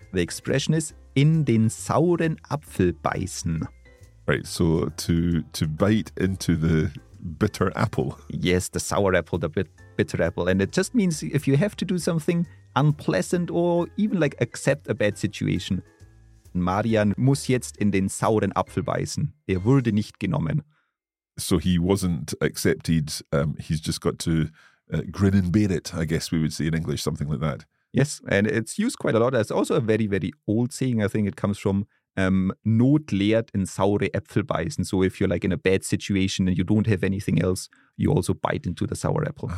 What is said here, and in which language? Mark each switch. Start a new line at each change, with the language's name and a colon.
English: The expression is
German: in den sauren Apfel beißen.
English: Right, so to bite into the bitter apple. Yes, the sour apple, the bitter apple. And it just means if you have to do something unpleasant or even like accept a bad situation.
German: Marian muss jetzt in den sauren Apfel beißen. Er wurde nicht genommen.
English: So he wasn't accepted. He's just got to grin and bear it, I guess we would say in English, something like that. Yes, and it's used quite a lot. It's also a very, very old saying. I think it comes from
German: Not lehrt in saure Äpfel beißen.
English: So if you're like in a bad situation and you don't have anything else, you also bite into the sour apple.